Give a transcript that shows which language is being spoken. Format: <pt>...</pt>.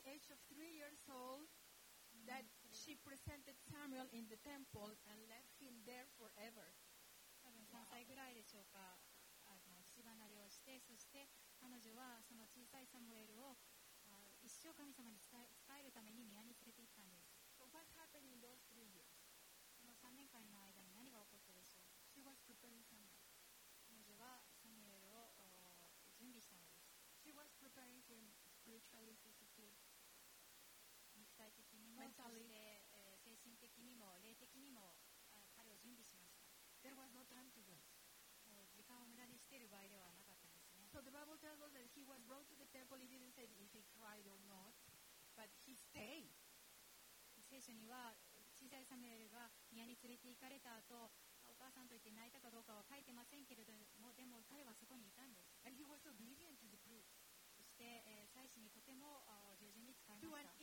<en>that she presented Samuel in the temple and left him there forever.</en> <ja>多分3歳ぐらいでしょうか。父離れをして、そして彼女はその小さいサムエルを一生神様に伝えるために宮に連れて行ったんです。</ja> <en>So what happened in those 3 years?</en> <ja>その3年間の間に何が起こったでしょう。</ja> <en>She was preparing Samuel.</en> <ja>彼女はサムエルを準備したのです。</ja> <en>She was preparing him spiritually, physically.</en> <ja>肉体的にも、そして精神的にも、霊的にも彼を準備しました。</ja> <en>There was no time to waste.</en> <ja>もう時間を無駄にしている場合ではなかったんですね。</ja> <en>So the Bible tells us that he was brought to the temple. He didn't say if he cried or not, but he stayed.</en> <ja>聖書には小さいサムエルが宮に連れて行かれた後、お母さんと言って泣いたかどうかは書いてませんけれども、でも彼はそこにいたんです。</ja> <en>And he was obedient to the priest.</en> <ja>そして、祭司にとても従順に使いました。</ja>